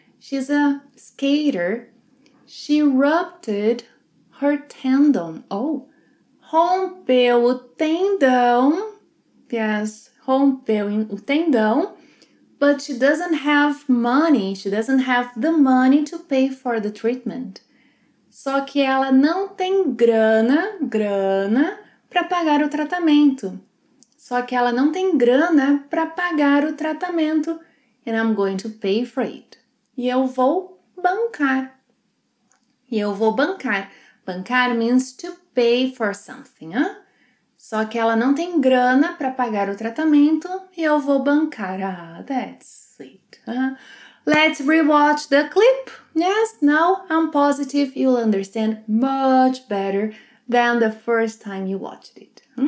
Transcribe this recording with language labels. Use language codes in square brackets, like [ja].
[en] She's a skater. She ruptured her tendon. [pt] Oh, rompeu o tendão. [en] Yes, [pt] rompeu o tendão. [en] But she doesn't have money. She doesn't have the money to pay for the treatment. [pt] Só que ela não tem grana, para pagar o tratamento. Só que ela não tem grana para pagar o tratamento. [en] And I'm going to pay for it. [pt] E eu vou bancar. E eu vou bancar. [en] Bancar means to pay for something, huh? [pt] Só que ela não tem grana para pagar o tratamento e eu vou bancar. [en] Ah, that's sweet. Let's rewatch the clip. Yes, now I'm positive you'll understand much better than the first time you watched it.